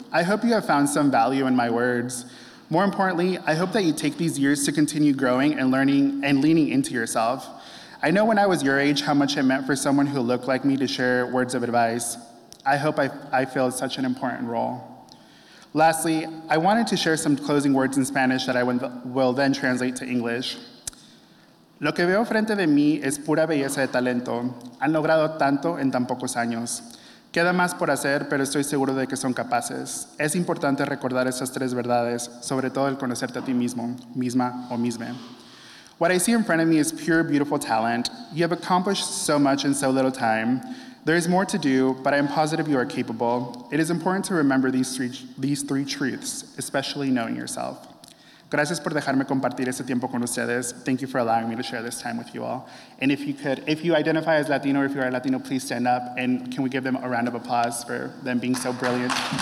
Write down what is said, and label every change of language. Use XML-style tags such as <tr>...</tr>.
<en>I hope you have found some value in my words. More importantly, I hope that you take these years to continue growing and learning and leaning into yourself. I know when I was your age how much it meant for someone who looked like me to share words of advice. I hope I filled such an important role. Lastly, I wanted to share some closing words in Spanish that I will then translate to English.</en> <es>Lo que veo frente de mí es pura belleza de talento. Han logrado tanto en tan pocos años. Queda más por hacer, pero estoy seguro de que son capaces. Es importante recordar esas tres verdades, sobre todo el conocerte a ti mismo, misma o misma.</es> <en>What I see in front of me is pure, beautiful talent. You have accomplished so much in so little time. There is more to do, but I am positive you are capable. It is important to remember these three truths, especially knowing yourself.</en> <es>Gracias por dejarme compartir este tiempo con ustedes.</es> <en>Thank you for allowing me to share this time with you all. And if you identify as Latino or if you are Latino, please stand up. And can we give them a round of applause for them being so brilliant?</en>